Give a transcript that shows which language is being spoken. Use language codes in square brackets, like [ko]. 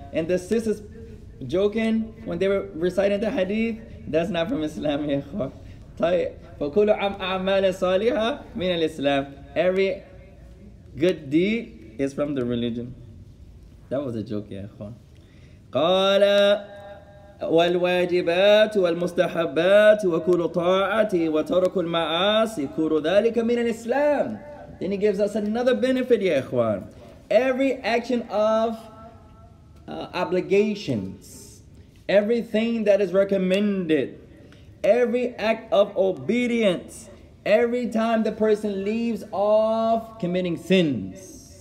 [en] And the sisters joking when they were reciting the hadith, that's not from Islam, [ar] يا أخوة. طيب. وكل أعمال صالحة من الإسلام. [en] Every good deed is from the religion. That was a joke, yeah. قال [ar] والواجبات والمستحبات وكل طاعة وترك المعاصي كل ذلك من الإسلام. [en] Then he gives us another benefit, ya ikhwan. Every action of obligations, everything that is recommended, every act of obedience, every time the person leaves off committing sins.